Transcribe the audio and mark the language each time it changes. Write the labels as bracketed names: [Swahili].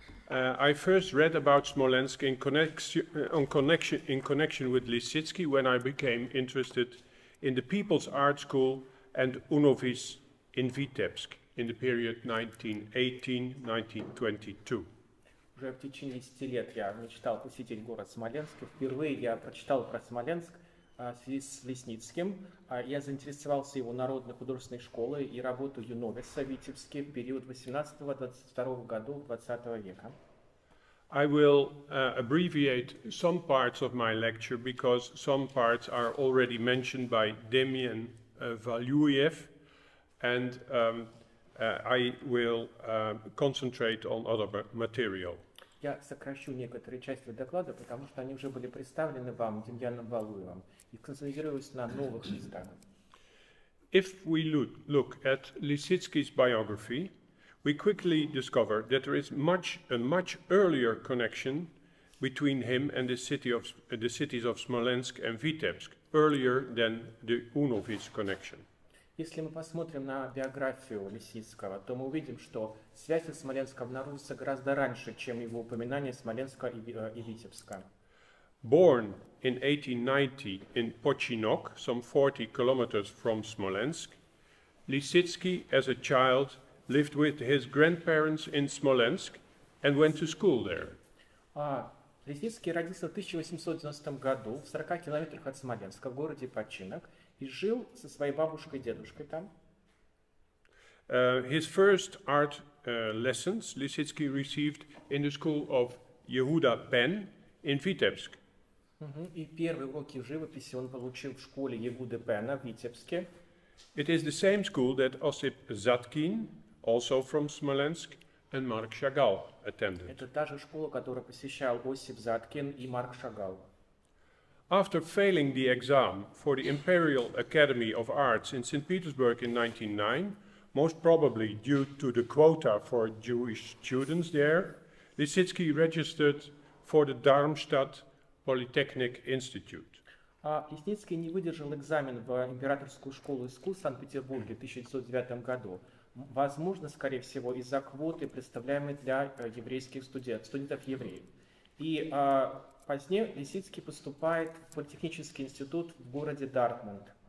[English] I first read about Smolensk in connection with Lisicki when I became interested in the People's Art School and UNOVIS in Vitebsk in the period 1918-1922. [Russian] Уже в течение 10 лет я мечтал посетить город Смоленск. Впервые я прочитал про Смоленск в связи с Лисицким. Я заинтересовался его народной художественной школой и работу УНОВИСа в Витебске в период 18-22 года 20 века. [English] I will abbreviate some parts of my lecture because some parts are already mentioned by Demian Valuyev, and I will concentrate on other material. [Russian] Я сокращу некоторые части доклада, потому что они уже были представлены вам Демьяном Валуевым, и концентрируюсь на новых местах. [English] If we look at Lisicki's biography, we quickly discover that there is a much earlier connection between him and the cities of Smolensk and Vitebsk, earlier than the UNOVIS connection. [Russian] Если мы посмотрим на биографию Лисицкого, то мы увидим, что связь с Смоленском обнаружится гораздо раньше, чем его упоминание Смоленска и Витебска. [English] Born in 1890 in Pochinok, some 40 kilometers from Smolensk, Lisicki as a child lived with his grandparents in Smolensk and went to school there. [Russian] Лисицкий родился в 1890 году в 40 километрах от Смоленска, в городе Починок, и жил со своей бабушкой и дедушкой там. [English] His first art lessons Lisicki received in the school of Yehuda Ben in Vitebsk. [Russian] И первые уроки живописи он получил в школе Ягуды Бена в Витебске. [English] It is the same school that Осип Заткин, also from Smolensk, and Марк Шагал attended. [Russian] Это та же школа, которую посещал Осип Заткин и Марк Шагал. [English] After failing the exam for the Imperial Academy of Arts in St. Petersburg in 1909, most probably due to the quota for Jewish students there, Lisicki registered for the Darmstadt Polytechnic Institute. [Russian] Лисицкий не выдержал экзамен в Императорскую школу искусств в Санкт-Петербурге в 1909 году. Возможно, скорее всего, из-за квоты, представляемой для еврейских студентов-евреев. И позднее Лисицкий поступает в политехнический институт в городе Дартмунд.